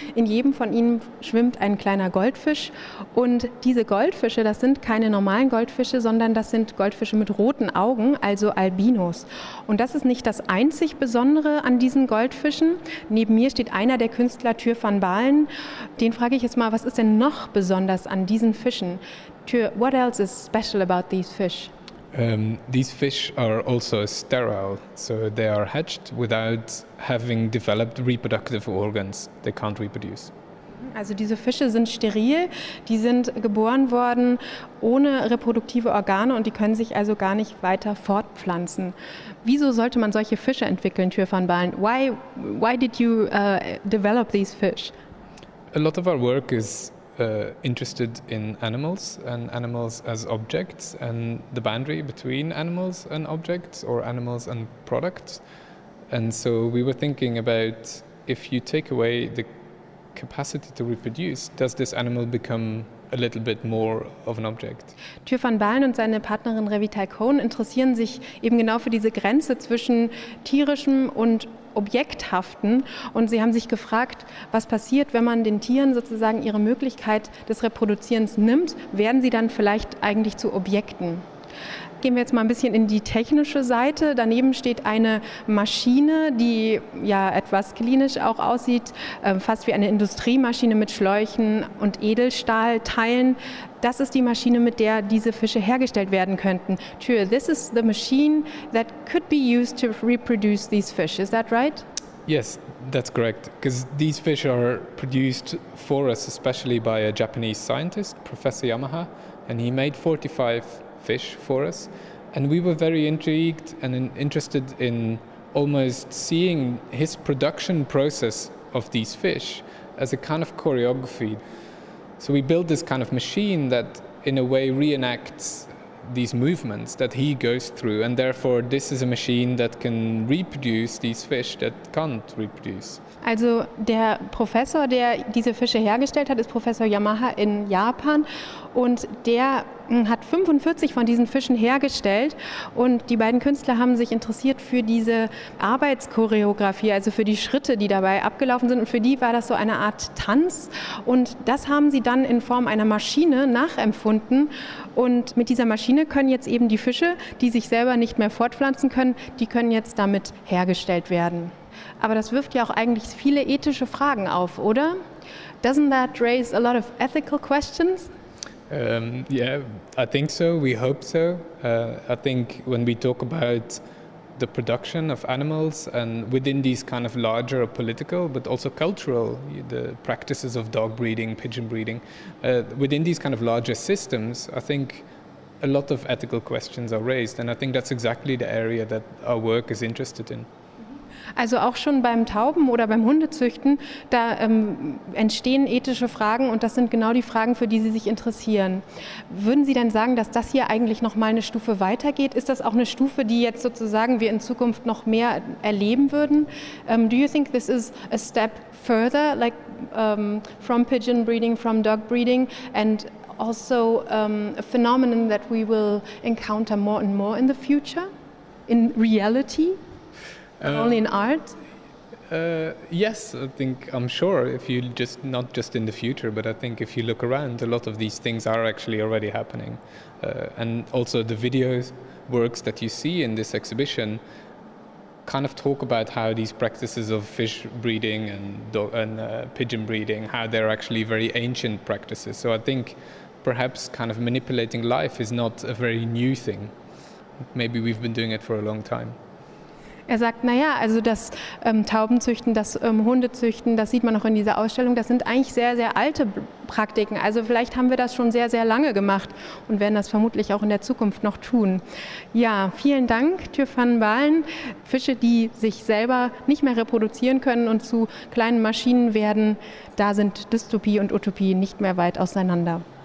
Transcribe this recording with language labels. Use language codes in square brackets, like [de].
[de] In jedem von ihnen schwimmt ein kleiner Goldfisch und diese Goldfische, das sind keine normalen Goldfische, sondern das sind Goldfische mit roten Augen, also Albinos. Und das ist nicht das einzig Besondere an diesen Goldfischen. Neben mir steht einer der Künstler, Tuur van Balen. Den frage ich jetzt mal, was ist denn noch besonders an diesen Fischen? [en] Tuur, what else is special about these fish? These fish are also sterile, so they are hatched without having developed reproductive organs. They can't reproduce. [de] Also diese Fische sind steril, die sind geboren worden ohne reproduktive Organe und die können sich also gar nicht weiter fortpflanzen. Wieso sollte man solche Fische entwickeln, Tuur van Balen? [en] Why did you develop these fish? A lot of our work is interested in animals and animals as objects and the boundary between animals and objects or animals and products. And so we were thinking about if you take away the capacity to reproduce, does this animal become a little bit more of an object? [de] Tuur van Balen und seine Partnerin Revital Cohen interessieren sich eben genau für diese Grenze zwischen tierischem und Objekthaften und sie haben sich gefragt, was passiert, wenn man den Tieren sozusagen ihre Möglichkeit des Reproduzierens nimmt, werden sie dann vielleicht eigentlich zu Objekten? Gehen wir jetzt mal ein bisschen in die technische Seite. Daneben steht eine Maschine, die ja etwas klinisch auch aussieht, fast wie eine Industriemaschine mit Schläuchen und Edelstahlteilen. Das ist die Maschine, mit der diese Fische hergestellt werden könnten. [en] Tuur, this is the machine that could be used to reproduce these fish, is that right? Yes, that's correct, because these fish are produced for us, especially by a Japanese scientist, Professor Yamaha, and he made 45 fish for us. And we were very intrigued and interested in almost seeing his production process of these fish as a kind of choreography. So we built this kind of machine that in a way reenacts these movements that he goes through, and therefore this is a machine that can reproduce these fish that can't reproduce. [de] Also der Professor, der diese Fische hergestellt hat, ist Professor Yamaha in Japan und der hat 45 von diesen Fischen hergestellt und die beiden Künstler haben sich interessiert für diese Arbeitschoreografie, also für die Schritte, die dabei abgelaufen sind und für die war das so eine Art Tanz und das haben sie dann in Form einer Maschine nachempfunden und mit dieser Maschine können jetzt eben die Fische, die sich selber nicht mehr fortpflanzen können, die können jetzt damit hergestellt werden. Aber das wirft ja auch eigentlich viele ethische Fragen auf, oder? [en] Doesn't that raise a lot of ethical questions? Yeah, I think so. We hope so. I think when we talk about the production of animals and within these kind of larger political but also cultural, the practices of dog breeding, pigeon breeding, within these kind of larger systems, I think a lot of ethical questions are raised. And I think that's exactly the area that our work is interested in. [de] Also auch schon beim Tauben- oder beim Hundezüchten, da entstehen ethische Fragen und das sind genau die Fragen, für die Sie sich interessieren. Würden Sie denn sagen, dass das hier eigentlich nochmal eine Stufe weitergeht? Ist das auch eine Stufe, die jetzt sozusagen wir in Zukunft noch mehr erleben würden? [en] Do you think this is a step further, like from pigeon breeding, from dog breeding and also a phenomenon that we will encounter more and more in the future, in reality? Only in art? Yes, I think I'm sure if you just not just in the future, but I think if you look around, a lot of these things are actually already happening. And also the video works that you see in this exhibition kind of talk about how these practices of fish breeding and pigeon breeding, how they're actually very ancient practices. So I think perhaps kind of manipulating life is not a very new thing. Maybe we've been doing it for a long time. [de] Er sagt, naja, also das Taubenzüchten, das Hundezüchten, das sieht man auch in dieser Ausstellung, das sind eigentlich sehr, sehr alte Praktiken. Also vielleicht haben wir das schon sehr, sehr lange gemacht und werden das vermutlich auch in der Zukunft noch tun. Ja, vielen Dank, Tyrfan Balen. Fische, die sich selber nicht mehr reproduzieren können und zu kleinen Maschinen werden, da sind Dystopie und Utopie nicht mehr weit auseinander.